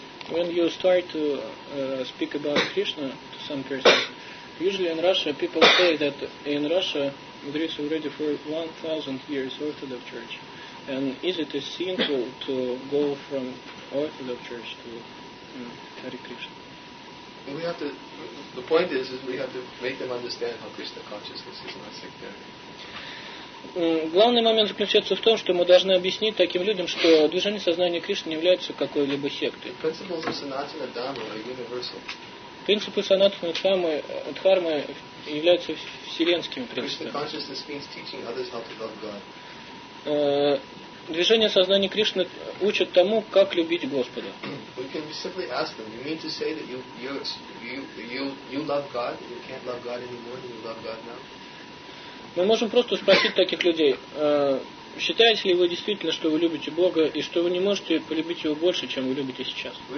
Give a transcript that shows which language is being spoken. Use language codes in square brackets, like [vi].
[en] When you start to speak about Krishna to some persons, usually in Russia people say that in Russia there is already for 1,000 years Orthodox Church, and is it a sin to go from Orthodox Church to Hare Krishna? We have to. The point is we have to make them understand how Krishna consciousness is not sectarian. [ru] Главный момент заключается в том, что мы должны объяснить таким людям, что движение сознания Кришны не является какой-либо сектой. [en] Principles of Sanatana Dharma are universal. [ru] Принципы Санатана Дхармы, являются вселенскими принципами. [en] Krishna consciousness means teaching others how to love God. [ru] Движение сознания Кришны учит тому, как любить Господа. [en] We can simply ask them, you mean to say that you love God, you can't love God anymore, you love God now? [ru] Мы можем просто спросить таких людей, считаете ли вы действительно, что вы любите Бога, и что вы не можете полюбить Его больше, чем вы любите сейчас?